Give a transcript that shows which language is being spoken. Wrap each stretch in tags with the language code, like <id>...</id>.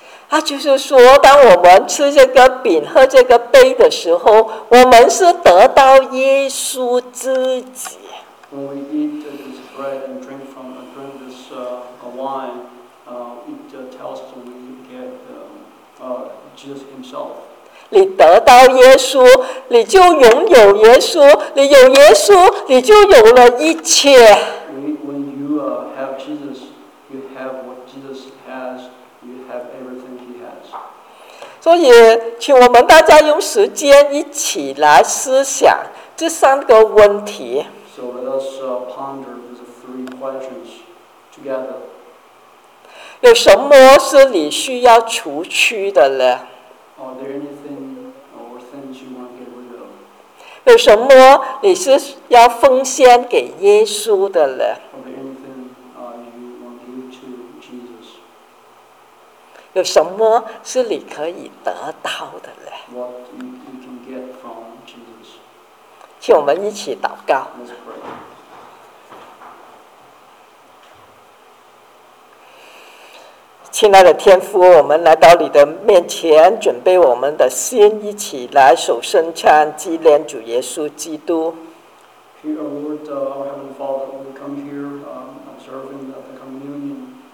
<zh>他就是说，当我们吃这个饼、喝这个杯的时候，我们是得到耶稣自己。</zh> <en>When we eat this bread and drink from drink this wine, it tells us we get Jesus Himself.</en> <zh>你得到耶稣，你就拥有耶稣；你有耶稣，你就有了一切。</zh> <en>When you have Jesus, you have what Jesus has. You have everything He has.</en> <zh>所以，请我们大家用时间一起来思想这三个问题。</zh> <en>So let us ponder these three questions together.</en> <zh>有什么是你需要除去的呢？</zh> <en>Are there anything or things you want to get rid of?</en> <zh>有什么你是要奉献给耶稣的呢？</zh> <en>Are there anything you want to give to Jesus?</en> <zh>有什么是你可以得到的呢？</zh> <en>What you can get from Jesus?</en> <zh>请我们一起祷告。亲爱的天父，我们来到你的面前，准备我们的心，一起来守圣餐，纪念主耶稣基督。</zh> <en>Here, Lord, our Heavenly Father, we come here, observing the communion.</en>